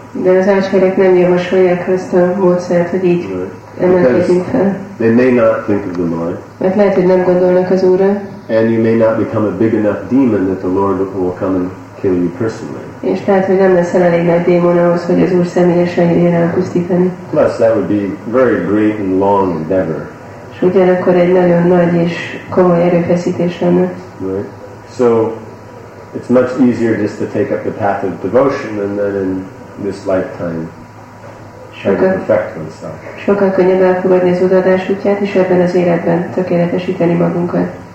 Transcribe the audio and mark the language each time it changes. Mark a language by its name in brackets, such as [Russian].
[Hungarian] De az acharyák nem javasolják ezt a módszert, hogy így emelkedjünk fel. [English] They may not think of the Lord. [Hungarian] Mert lehet, hogy nem gondolnak az Úrra. [English] And you may not become a big enough demon that the Lord will come and kill you personally. [Hungarian] És tehát, hogy nem leszel elég nagy démon ahhoz, hogy az Úr személyesen jöjjön elpusztítani. [English] Plus, that would be very great and long endeavor. [Hungarian] És ugyanakkor egy nagyon nagy és komoly erőfeszítés lenne. [English] Right. So, it's much easier just to take up the path of devotion and then in this lifetime try to perfect oneself. [Hungarian] Sokkal könnyebb elfogadni az odaadás útját, és ebben az életben tökéletesíteni magunkat.